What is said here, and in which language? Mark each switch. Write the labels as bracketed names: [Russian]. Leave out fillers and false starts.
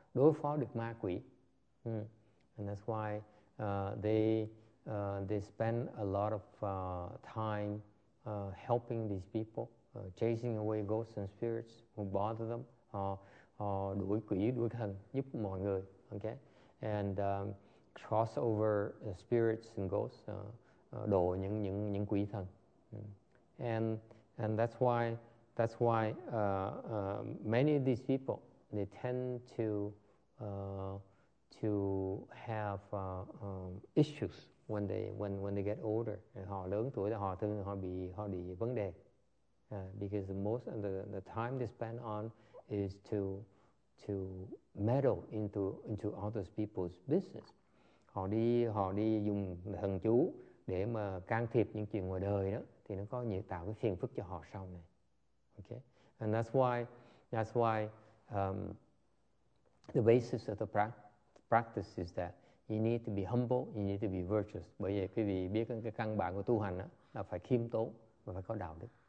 [Vietnamese] đối phó được ma quỷ. [English] And that's why they spend a lot of time helping these people, chasing away ghosts and spirits who bother them, [Vietnamese] đuổi quỷ, đuổi thần, giúp mọi người, [English] okay? And cross over spirits and ghosts, [Vietnamese] đổ những quỷ thần. [English] And that's why many of these people, they tend to have issues when they get older. [Vietnamese] Họ lớn tuổi thì họ thường họ bị vấn đề. [English] Because most of the time they spend on is to meddle into other people's business. [Vietnamese] Họ đi dùng thần chú để mà can thiệp những chuyện ngoài đời đó, thì nó có nhiều tạo cái phiền phức cho họ sau này. [English] Okay? And that's why the basis of the practice is that you need to be humble, you need to be virtuous. [Vietnamese] Bởi vì quý vị biết cái căn bản của tu hành đó, là phải khiêm tốn và phải có đạo đức.